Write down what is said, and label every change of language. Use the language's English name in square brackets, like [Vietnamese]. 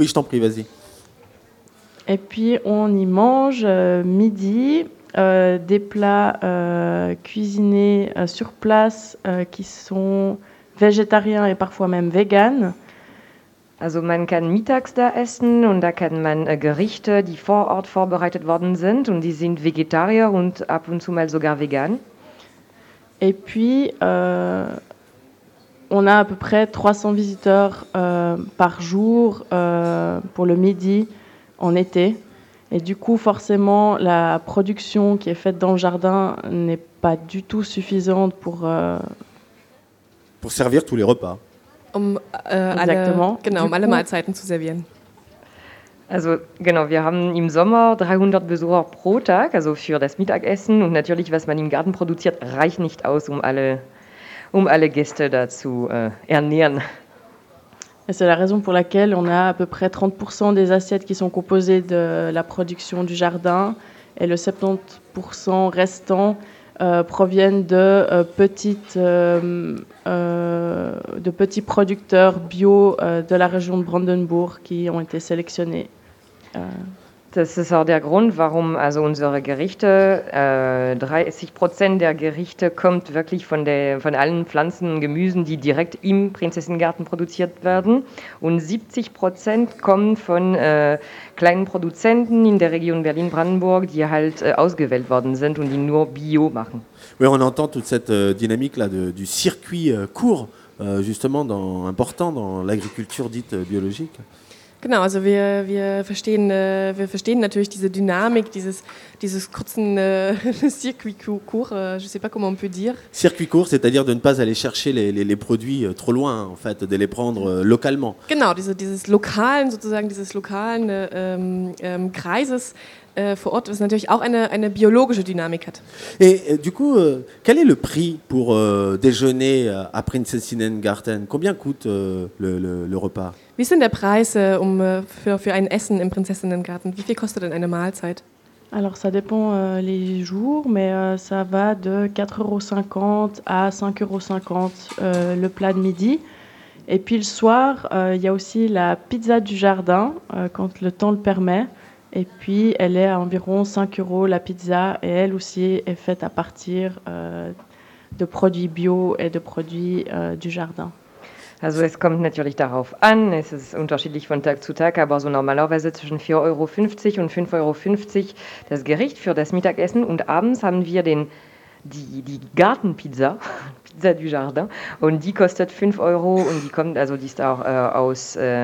[French] Et puis on y mange midi des plats cuisinés sur place qui sont végétariens et parfois même vegan. [German] Also man kann mittags da essen und da kann man Gerichte, die vor Ort vorbereitet worden sind und die sind Vegetarier und ab und zu mal sogar vegan. [French] Et puis on a à peu près 300 visiteurs par jour pour le midi en été. Et du coup forcément la production qui est faite dans le jardin n'est pas du tout suffisante pour servir tous les repas. [German] Um alle Mahlzeiten zu servieren. Also genau, wir haben im Sommer 300 Besucher pro Tag, also für das Mittagessen. Und natürlich, was man im Garten produziert, reicht nicht aus, um alle Gäste da zu ernähren. [French] Et c'est la raison pour laquelle on a à peu près 30% des assiettes qui sont composées de la production du jardin et le 70% restant proviennent de petits producteurs bio de la région de Brandenburg qui ont été sélectionnés. [German] Das ist auch der Grund, warum also unsere Gerichte 30% der Gerichte kommt wirklich von allen Pflanzen und Gemüsen, die direkt im Prinzessinnengarten produziert werden, und 70% kommen von kleinen Produzenten in der Region Berlin-Brandenburg, die halt ausgewählt worden sind und die nur Bio machen. [French] Oui, on entend toute cette dynamique là du circuit court, justement important dans l'agriculture dite biologique. [German] Genau, also wir verstehen natürlich diese Dynamik, dieses kurzen Circuit court, [French] je sais pas comment on peut dire. Circuit court, c'est-à-dire de ne pas aller chercher les produits trop loin, en fait, de les prendre localement. [German] Genau, dieses lokalen, sozusagen, dieses lokalen Kreises vor Ort, was natürlich auch eine biologische Dynamik hat. [French] Et du coup, quel est le prix pour déjeuner à Prinzessinnengarten? Combien coûte le repas? [German] Wie sind der Preis für ein Essen im Prinzessinnengarten? Wie viel kostet denn eine Mahlzeit? [French] Alors, ça dépend les jours, mais ça va de 4,50 € à 5,50 € le plat de midi. Et puis le soir, il y a aussi la pizza du jardin, quand le temps le permet. Et puis, elle est à environ 5 € la pizza, et elle aussi est faite à partir de produits bio et de produits du jardin. [German] Also es kommt natürlich darauf an, es ist unterschiedlich von Tag zu Tag, aber so normalerweise zwischen 4,50 € und 5,50 € das Gericht für das Mittagessen und abends haben wir die Gartenpizza, Pizza du Jardin, und die kostet 5 € und die kommt, also die ist auch aus